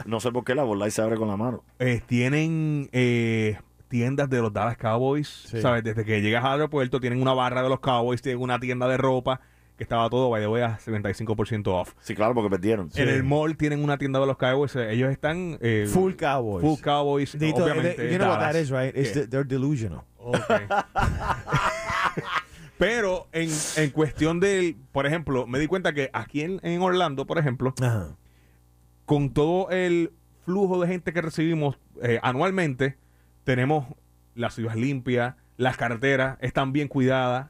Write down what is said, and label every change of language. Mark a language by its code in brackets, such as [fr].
[es] no sé por qué la bola y se abre con la mano. Tienen tiendas de los Dallas Cowboys. Sí. ¿Sabes? Desde que llegas al aeropuerto tienen una barra de los Cowboys, tienen una tienda de ropa. Que estaba todo, [en] by the way, [es] a 75% off. Sí, claro, porque perdieron. En sí. El mall tienen una tienda de los Cowboys. Ellos están... Full Cowboys. Full Cowboys, obviamente. [en] You know what that is, right? It's they're delusional. Okay. [es] Pero en cuestión del... Por ejemplo, me di cuenta que aquí en Orlando, por ejemplo, con todo el flujo de gente que recibimos anualmente, tenemos las ciudades limpias, las carreteras están bien cuidadas.